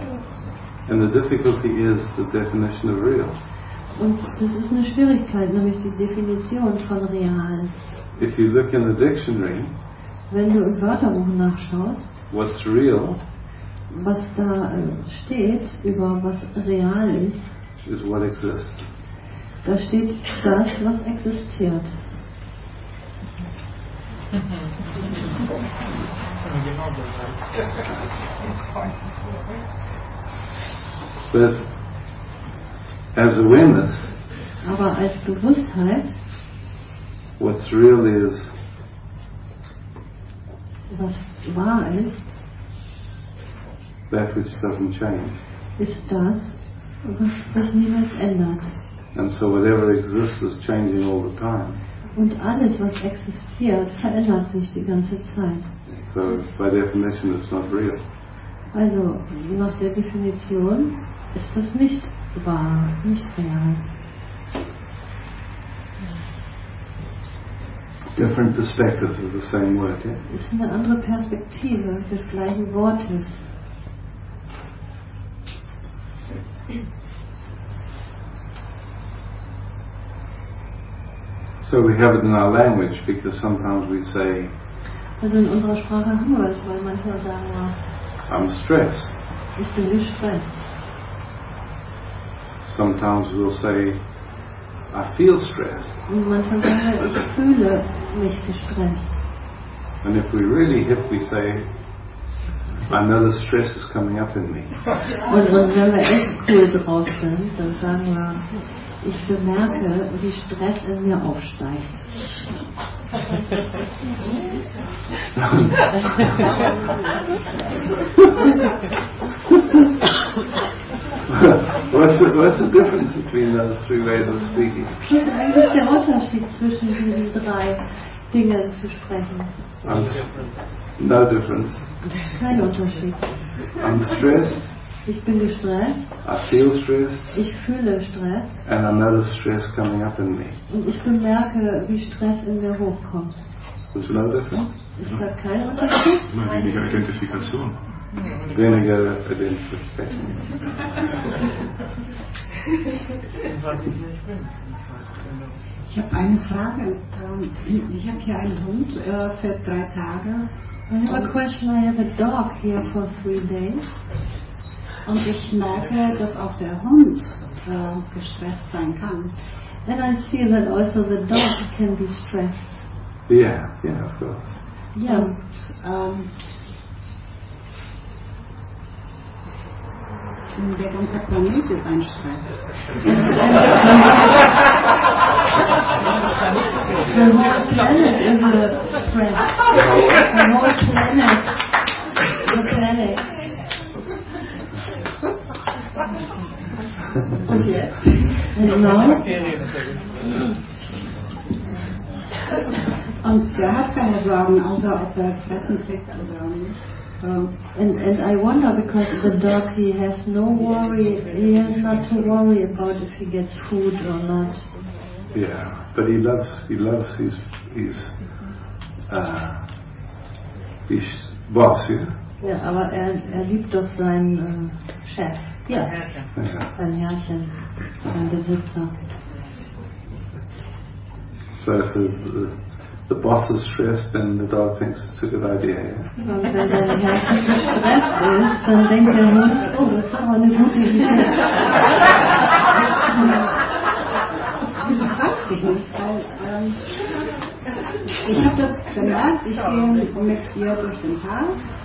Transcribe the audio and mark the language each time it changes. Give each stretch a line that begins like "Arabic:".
English: And the difficulty is the definition of real.
German: Und das ist eine Schwierigkeit, nämlich die Definition von real.
English: If you look in the dictionary,
German: wenn du im Wörterbuch nachschaust,
English: what's real,
German: was da steht über was real ist,
English: is what exists.
German: Da steht das, was existiert.
English: But as awareness,
German: aber als Bewusstheit,
English: what's real is,
German: was wahr ist,
English: that which doesn't change,
German: ist das, was sich niemals ändert.
English: And so whatever exists is changing all the time.
German: Und alles, was existiert, verändert sich die ganze Zeit.
English: So, by definition, it's not real.
German: Also, nach der Definition ist das nicht wahr, nicht real.
English: Different perspectives of the same word, yeah?
German: Es ist eine andere Perspektive des gleichen Wortes.
English: So we have it in our language because sometimes we say,
German: also in unserer Sprache haben wir es, weil manchmal sagen wir,
English: I'm stressed.
German: Ich bin gestresst.
English: Sometimes we'll say, I feel stressed.
German: Und manchmal sagen wir, ich fühle mich gestresst.
English: And if we really hip, we say, I know the stress is coming up in me.
German: Und wenn wir echt cool drauf sind, dann sagen wir, ich bemerke, wie Stress in mir aufsteigt.
English: What's the difference between those three ways of speaking?
German: Was ist der Unterschied zwischen diesen drei Dingen zu sprechen?
English: No difference.
German: Kein Unterschied.
English: I'm stressed.
German: Ich bin gestresst.
English: I feel stressed.
German: Ich fühle Stress.
English: And I know the stress coming up in me.
German: Und ich bemerke, wie Stress in mir hochkommt.
English: There's no difference.
German: Ist da kein Unterschied? Mal weniger Identifikation. Weniger Identifikation. Ich habe eine Frage. Ich habe hier einen Hund für 3 Tage.
English: I have a question. I have a dog here for 3 days.
German: Und ich merke, dass auch der Hund gestresst sein kann.
English: And I see that also the dog can be stressed. Yeah, of course. Yeah.
German: Der ganze Planet ist ein Stress.
English: The whole planet is a stress. The whole planet. The planet.
German: Und der hat keine Sorgen, außer ob er fressen kriegt oder nicht.
English: And I wonder, because the dog, he has no worry, he has not to worry about if he gets food or not. Yeah, but he loves his his boss, yeah?
German: Ja, aber er liebt doch seinen Chef. Ja, sein Herrchen, sein Besitzer.
English: So, if the boss is stressed, then the dog thinks it's a good idea, yeah?
German: Und wenn sein Herrchen gestresst ist, dann denkt der Hund, oh, das ist doch mal eine gute Idee. Ich weiß nicht, weil ich habe das gemerkt, ich gehe mit ihr durch den Park.